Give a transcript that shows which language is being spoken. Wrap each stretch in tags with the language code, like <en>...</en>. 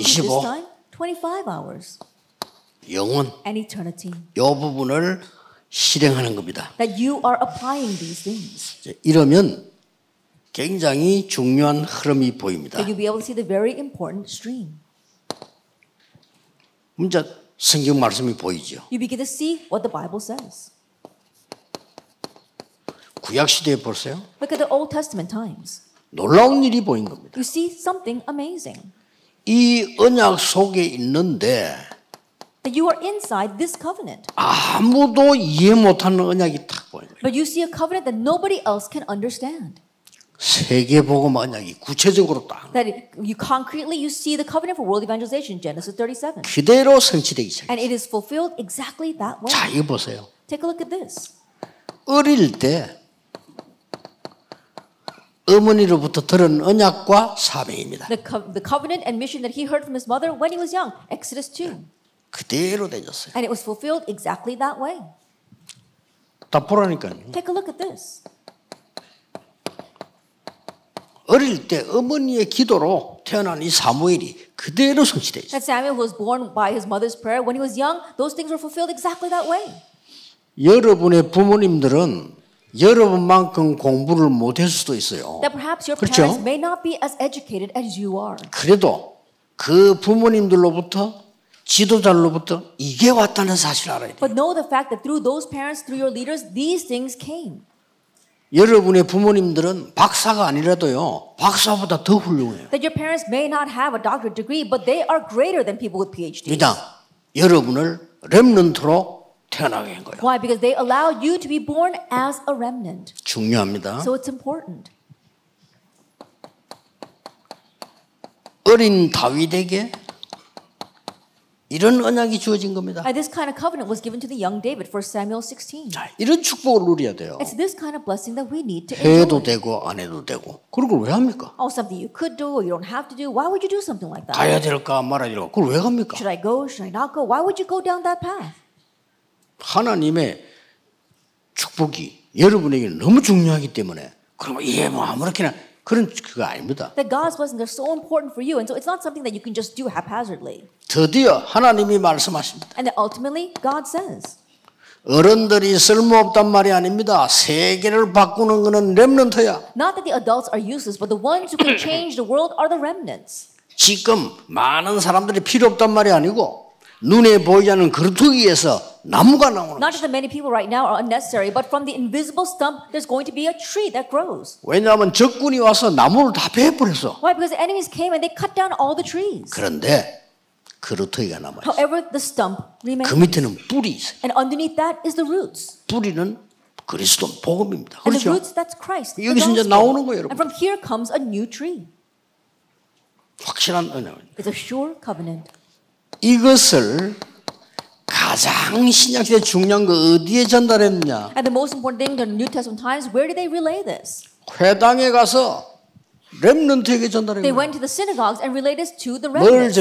<en>25, this time, 25 hours.</en> <ko>영원.</ko> <en>And eternity.</en> <ko>요 부분을 실행하는 겁니다.</ko> <en>That you are applying these things.</en> <ko>이러면 굉장히 중요한 흐름이 보입니다.</ko> <en>That you'll be able to see the very important stream.</en> <ko>먼저 성경 말씀이 보이죠.</ko> <en>You begin to see what the Bible says.</en> <ko>구약 시대에 보세요.</ko> <en>Look at the Old Testament times.</en> <ko>놀라운 일이 보인 겁니다.</ko> <en>You see something amazing.</en> <ko>이 언약 속에 있는데</ko> <en>that you are inside this covenant.</en> <ko>아무도 이해 못하는 언약이 딱 보인 거예요.</ko> <en>But you see a covenant that nobody else can understand.</en> <ko>세계복음 언약이 구체적으로 딱.</ko> <en>That you concretely you see the covenant for world evangelization Genesis 37.</en> <ko>그대로 성취되기 시작.</ko> <en>And it is fulfilled exactly that way.</en> <ko>자, 이거 보세요.</ko> <en>Take a look at this.</en> <ko>어릴 때 어머니로부터 들은 언약과 사명입니다.</ko> <en>The covenant and mission that he heard from his mother when he was young, Exodus 2.</en> <ko>그대로 되셨어요.</ko> <en>And it was fulfilled exactly that way.</en> <ko>다 보라니까.</ko> <en>Take a look at this.</en> <ko>어릴 때 어머니의 기도로 태어난 이 사무엘이 그대로 성취되죠.</ko> <en>That Samuel was born by his mother's prayer when he was young. Those things were fulfilled exactly that way.</en> <ko>여러분의 부모님들은 여러분만큼 공부를 못할 수도 있어요.</ko> <en>That perhaps your parents</en> <ko>그렇죠?</ko> <en>may not be as educated as you are.</en> <ko>그래도 그 부모님들로부터 지도자로부터 이게 왔다는 사실 알아야 돼요.</ko> <en>But know the fact that through those parents, through your leaders, these things came.</en> <ko>여러분의 부모님들은 박사가 아니라도요, 박사보다 더 훌륭해요.</ko> <en>That your parents may not have a doctorate degree, but they are greater than people with PhDs.</en> <ko>그러니까 여러분을 렘넌트로 태어나게 한 거예요.</ko> <en>Why? Because they allow you to be born as a remnant.</en> <ko>중요합니다.</ko> <en>So it's important.</en> <ko>어린 다윗에게 이런 언약이 주어진 겁니다.</ko> <en>This kind of covenant was given to the young David for Samuel 16.</en> <ko>자, 이런 축복을 누려야 돼요.</ko> <en>It's this kind of blessing that we need to</en> <ko>해도</ko> <en>enjoy.</en> <ko>되고 안 해도 되고. 그걸 왜 합니까?</ko> <en>Oh, something you could do or you don't have to do. Why would you do something like that?</en> <ko>가야 될까 말아야 될까? 그걸 왜 합니까?</ko> <en>Should I go? Should I not go? Why would you go down that path?</en> <ko>하나님의 축복이 여러분에게 너무 중요하기 때문에 그럼 이게 뭐 아무렇게나 그런 그거 아닙니다.</ko> <en>That God's blessings are so important for you, and so it's not something that you can just do haphazardly.</en> <ko>드디어 하나님이 말씀하십니다.</ko> <en>And ultimately, God says.</en> <ko>어른들이 쓸모없단 말이 아닙니다. 세계를 바꾸는 것은 렘넌트야.</ko> <en>Not that the adults are useless, but the ones who can change the world are the remnants.</en> <ko>지금 많은 사람들이 필요 없단 말이 아니고 눈에 보이지 않는 그루터기에서 나무가 나오는 거예요.</ko> <en>Not that the many people right now are unnecessary, but from the invisible stump, there's going to be a tree that grows.</en> <ko>왜냐하면 적군이 와서 나무를 다 베어버렸어.</ko> <en>Why? Because the enemies came and they cut down all the trees.</en> <ko>그런데 그루터기가 남아있어.</ko> <en>However, the stump remains.</en> <ko>그 밑에는 뿌리 있어요.</ko> <en>And underneath that is the roots.</en> <ko>뿌리는 그리스도 복음입니다. 그렇죠?</ko> <en>And the roots, that's Christ.</en> <ko>여기서 이제 나오는 거예요, 여러분.</ko> <en>And from here comes a new tree.</en> <ko>확실한 은혜.</ko> <en>It's a sure covenant.</en> <ko>이것을 가장 신약시대 중요한 거 어디에 전달했느냐?</ko> <en>And the most important thing in the New Testament times, where did they relay this?</en> <ko>회당에 가서 렘넌트에게 전달했어요.</ko> <en>They went to the synagogues and relayed this to the remnant.</en>